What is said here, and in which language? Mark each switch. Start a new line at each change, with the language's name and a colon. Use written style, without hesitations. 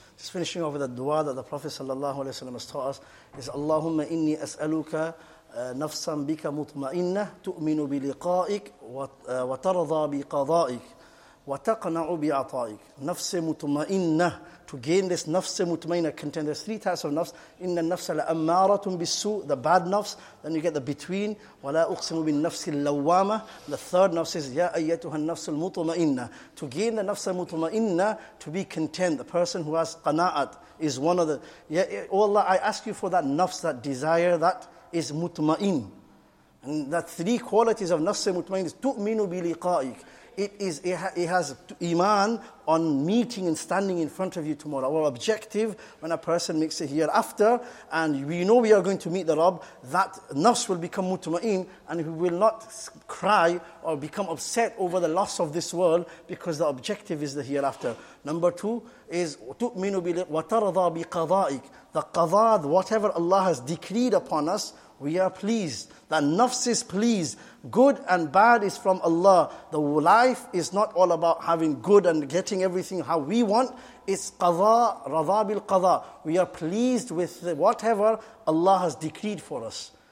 English: finishing over the dua that the Prophet sallallahu alaihi wasallam has taught us is
Arabic: Allahumma inni as'aluka نفسا بك مطمئنة تؤمن بلقائك وترضى بقضائك وتقنع بعطائك نفس مطمئنة.
English: To gain this nafs mutmainna, content. There's three types of nafs.
Arabic: Inna nafsa la ammaratun bisu,
English: the bad nafs. Then you get the between.
Arabic: Wala uqsimu bin nafsi lawwama.
English: The third nafs is
Arabic: ya ayyatuhan nafsul mutmainna.
English: To gain the nafsa mutmainna, to be content. The person who has qana'at is one of the. Ya, oh Allah, I ask you for that nafs, that desire that is mutmain. And that three qualities of nafs mutmainna is
Arabic: tu'minu bi liqa'ik.
English: It has iman on meeting and standing in front of you tomorrow. Our objective, when a person makes it hereafter, and we know we are going to meet the Rabb, that nafs will become mutma'in, and we will not cry or become upset over the loss of this world, because the objective is the hereafter.
Arabic: Number two is, تُؤْمِنُ وَتَرَضَى بِقَضَائِكَ.
English: The qadha, whatever Allah has decreed upon us, we are pleased. That nafs is pleased. Good and bad is from Allah. The life is not all about having good and getting everything how we want. It's qadha,
Arabic: radha bil qadha.
English: We are pleased with whatever Allah has decreed for us.